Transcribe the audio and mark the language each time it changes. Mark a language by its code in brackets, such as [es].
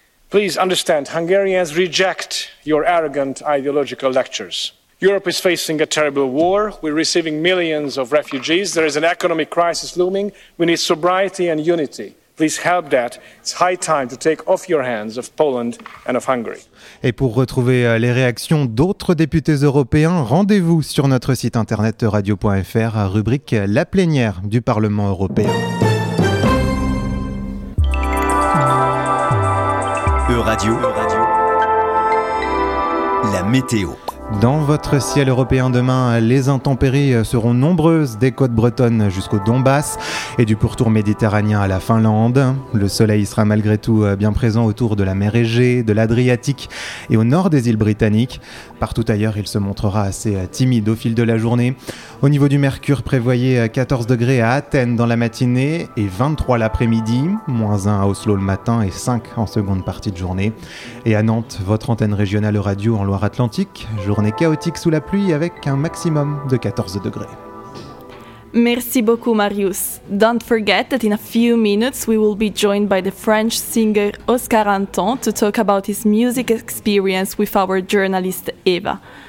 [en] Please understand, Hungarians reject your arrogant ideological lectures. Europe is facing a terrible war. We're receiving millions of refugees. There is an economic crisis looming. We need sobriety and unity. Please help that. It's high time to take off your hands of Poland and of Hungary. [fr] Et pour retrouver les réactions d'autres députés européens, rendez-vous sur notre site internet radio.fr, rubrique La plénière du Parlement européen. Euradio. La météo. Dans votre ciel européen demain, les intempéries seront nombreuses, des côtes bretonnes jusqu'au Donbass et du pourtour méditerranéen à la Finlande. Le soleil sera malgré tout bien présent autour de la mer Égée, de l'Adriatique et au nord des îles britanniques. Partout ailleurs, il se montrera assez timide au fil de la journée. Au niveau du mercure, prévoyez 14 degrés à Athènes dans la matinée et 23 l'après-midi, moins 1 à Oslo le matin et 5 en seconde partie de journée. Et à Nantes, votre antenne régionale Euradio en Loire-Atlantique. Journée chaotique sous la pluie avec un maximum de 14 degrés. Merci beaucoup, Marius. [en] Don't forget that in a few minutes we will be joined by the French singer Oscar Anton to talk about his music experience with our journalist Eva.